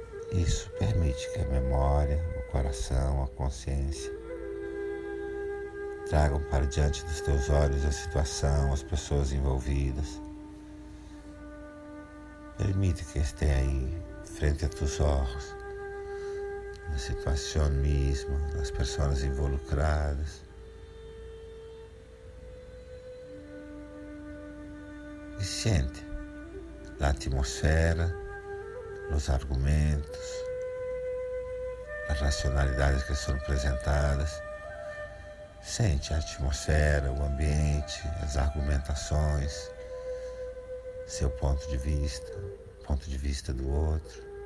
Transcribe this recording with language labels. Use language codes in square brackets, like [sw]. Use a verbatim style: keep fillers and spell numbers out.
[pt] Isso permite que a memória, o coração, a consciência tragam para diante dos teus olhos a situação, as pessoas envolvidas. Permite que esteja aí, frente a teus olhos. [es] La situación misma, las personas involucradas. Y siente la atmósfera, los argumentos, las racionalidades que son presentadas. [pt] Sente a atmosfera, o ambiente, as argumentações, seu ponto de vista, ponto de vista do outro.